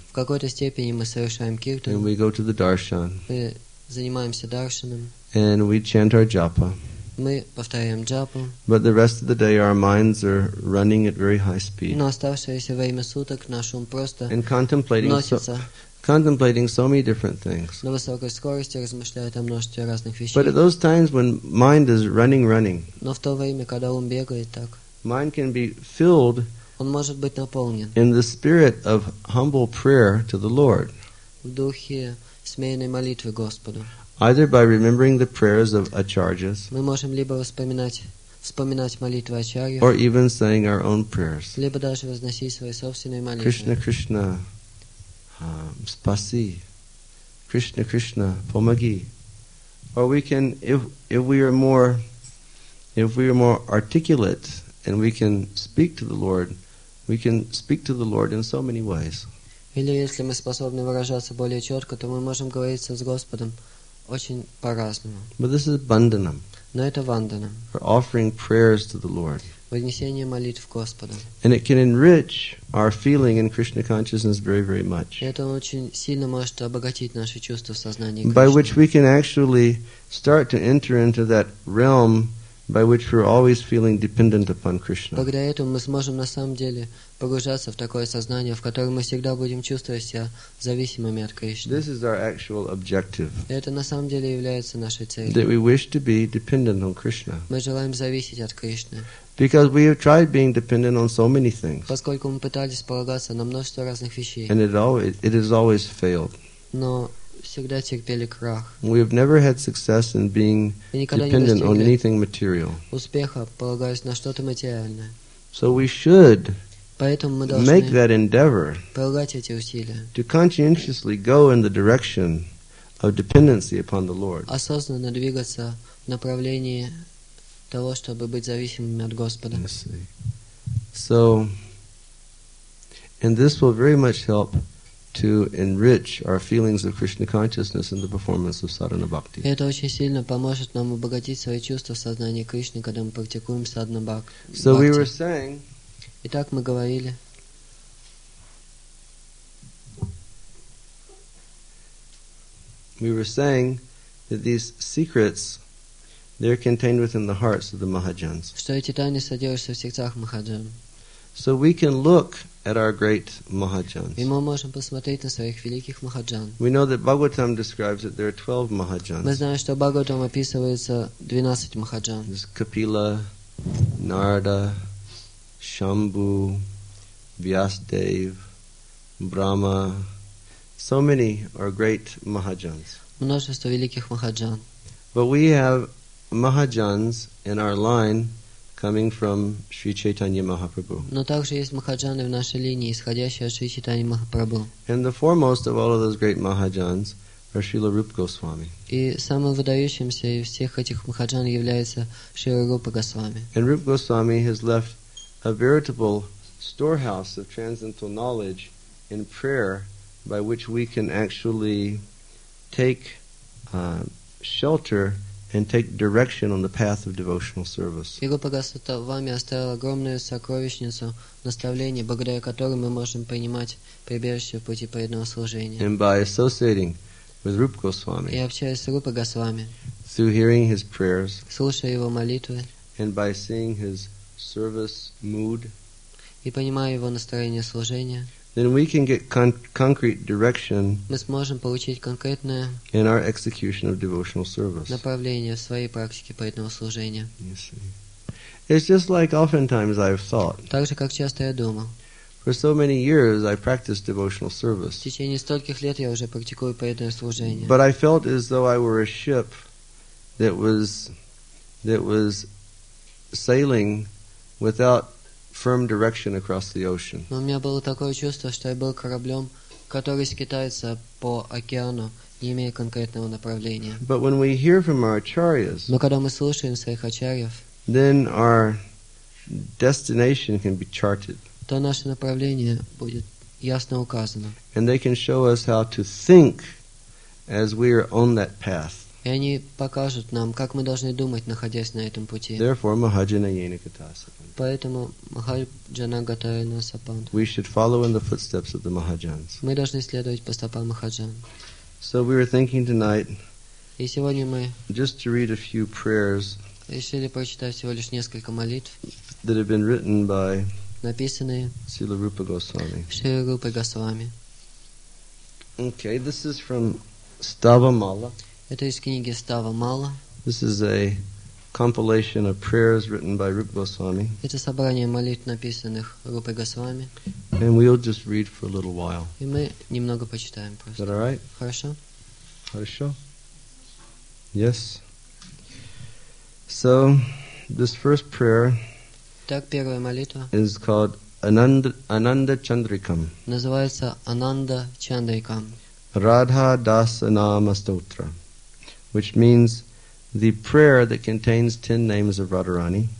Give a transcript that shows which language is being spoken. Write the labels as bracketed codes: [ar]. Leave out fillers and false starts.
[ru] В какой-то степени мы совершаем киртан. [en] And we go to the darshan. [ru] Мы занимаемся даршаном. [en] And we chant our japa. [ru] Мы повторяем джапу. [en] But the rest of the day our minds are running at very high speed. [ru] Но оставшееся время суток наш ум просто [en] and contemplating so many different things. [ru] На высокой скорости размышляет о множестве разных вещей. [en] But at those times when mind is running, [ru] но в то время, когда ум бегает так, [en] mind can be filled, [ru] он может быть наполнен, [en] in the spirit of humble prayer to the Lord, [ru] в духе смиренной молитвы Господу, [en] either by remembering the prayers of acharyas, [ru] мы можем либо вспоминать молитвы ачарьев, [en] or even saying our own prayers, [ru] либо даже возносить свои собственные молитвы. Krishna Krishna, spasi. Krishna Krishna, pomagi. [en] Or we can, if we are more articulate, and we can speak to the Lord, we can speak to the Lord in so many ways. [ru] Или если мы способны выражаться более четко, то мы можем говорить с Господом очень по-разному. [en] But this is bandhanam. [ru] Но это вандана. [en] For offering prayers to the Lord. [ru] Вознесение молитв Господу. [en] And it can enrich our feeling in Krishna consciousness very, very much. [ru] Это очень сильно может обогатить наши чувства в сознании Кришны. [en] By which we can actually start to enter into that realm by which we're always feeling dependent upon Krishna. [ru] Благодаря этому мы сможем на самом деле погружаться в такое сознание, в котором мы всегда будем чувствовать себя зависимыми от Кришны. [en] This is our actual objective. [ru] Это на самом деле является нашей целью. [en] That we wish to be dependent on Krishna. [ru] Мы желаем зависеть от Кришны. [en] Because we have tried being dependent on so many things. [ru] Поскольку мы пытались полагаться на множество разных вещей. [en] And it has always failed. [ru] Но всегда терпели крах. [en] We have never had success in being dependent on anything material. [ru] Успеха, полагаясь на что-то материальное. [en] So we should [ru] Поэтому мы должны [en] make that endeavor [ru] прилагать эти усилия [en] to conscientiously go in the direction of dependency upon the Lord. [ru] Осознанно двигаться в направлении того, чтобы быть зависимыми от Господа. [en] So, and this will very much help to enrich our feelings of Krishna consciousness in the performance of sadhana bhakti. [ru] Это очень сильно поможет нам обогатить свои чувства в сознании Кришны, когда мы практикуем садхана бхакти. [en] So we were saying. [ru] Итак, мы говорили. [en] We were saying that these secrets, they're contained within the hearts of the Mahajans. [ru] Что эти тайны содержатся в сердцах Махаджан. [en] So we can look at our great Mahajans. [ru] И мы можем посмотреть на своих великих Махаджан. [en] We know that Bhagavatam describes that there are 12 Mahajans. [ru] Мы знаем, что Бхагаватам описывается 12 Махаджан. [en] There's Kapila, Narada, Shambhu, Vyasadeva, Brahma. So many are great Mahajans. [ru] Множество великих Махаджан. [en] But we have Mahajans in our line coming from Sri Chaitanya Mahaprabhu. [ru] Но также есть Махаджаны в нашей линии, исходящие от Шри Чайтаньи Махапрабху. [en] And the foremost of all of those great Mahajans are Srila Rupa Goswami. [ru] И самым выдающимся из всех этих Махаджан является Шрила Рупа Госвами. [en] And Rupa Goswami has left a veritable storehouse of transcendental knowledge in prayer by which we can actually take shelter and take direction on the path of devotional service. [ru] Его богатство вами оставил огромную сокровищницу наставления, благодаря которой мы можем принимать прибежище в пути преданного служения. [en] And by associating with Rupa Goswami, [ru] и общаясь с Рупа Госвами, [en] through hearing his prayers, [ru] слушая его молитвы, [en] and by seeing his service mood, [ru] и понимая его настроение служения, [en] then we can get concrete direction [ru] мы сможем получить конкретное [en] in our execution of devotional service. [ru] Направление в своей практике поэтного служения. [en] It's just like oftentimes I've thought. [ru] Так же, как часто я думал. [en] For so many years I practiced devotional service. [ru] В течение стольких лет я уже практикую поэтное служение. [en] But I felt as though I were a ship that was sailing without firm direction across the ocean. [ru] Но у меня было такое чувство, что я был кораблем, который скитается по океану, не имея конкретного направления. [en] But when we hear from our acharyas, [ru] но когда мы слушаем своих ачарьев, [en] then our destination can be charted. [ru] То наше направление будет ясно указано. [en] And they can show us how to think as we are on that path. [ru] И они покажут нам, как мы должны думать, находясь на этом пути. [en] Therefore, Mahajana Yenikatasapanta. [ru] Поэтому Махаджана Гатайна Сапанта. [en] We should follow in the footsteps of the Mahajans. [ru] Мы должны следовать по стопам Махаджан. [en] So we were thinking tonight. [ru] И сегодня мы. [en] Just to read a few prayers. [ru] Решили прочитать всего лишь несколько молитв. [en] That have been written by. [ru] Написанные. [en] Srila Rupa Goswami. [ru] Srila Rupa Goswami. [en] Okay, this is from Stavamala. [ru] Это из книги Ставамала. [en] This is a compilation of prayers written by Rupa Goswami. [ru] Это собрание молитв, написанных Рупой Госвами. [en] And we'll just read for a little while. [ru] И мы немного почитаем просто. [en] Is that all right? [ru] Хорошо. Хорошо. [en] Yes. So, this first prayer. [ru] Так первая молитва. [en] Is called Ananda Chandrikam. [ru] Называется Ананда Чандрикам. [en] Radha Dasa Nama Stotra. Which means the prayer that contains 10 names of Radharani.